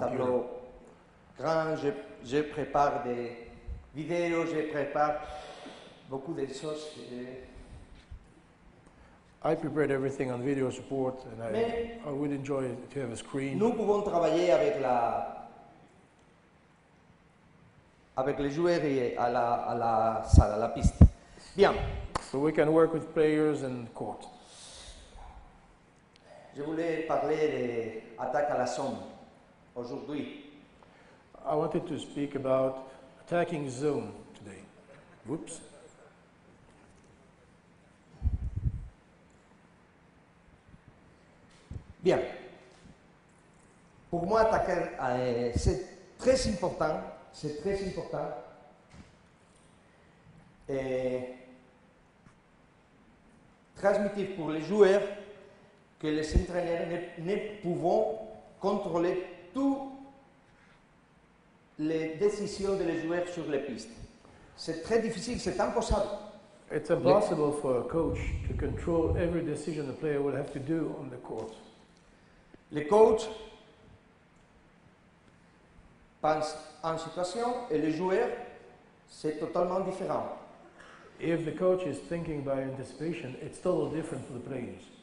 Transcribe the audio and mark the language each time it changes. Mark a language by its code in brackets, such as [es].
[fr] Tableau grand, je prépare des vidéos, je prépare beaucoup de choses. [en] I prepared everything on video support and I would enjoy to have a screen. [fr] Nous pouvons travailler avec la avec les joueurs et à la salle, à la piste. Bien. [en] So we can work with players and court. [fr] Je voulais parler de attaque à la zone aujourd'hui. [en] I wanted to speak about attacking zone today. Whoops. [fr] Bien. Pour moi, attaquer, c'est très important. C'est très important. Et transmettre pour les joueurs que les entraîneurs ne pouvons contrôler toutes les décisions des joueurs sur les pistes. C'est très difficile, c'est impossible. [en] It's impossible for a coach to control every decision a player will have to do on the court. [fr] Le coach pense en situation et le joueur, c'est totalement différent. [en] If the coach is thinking by anticipation, it's totally different for the players.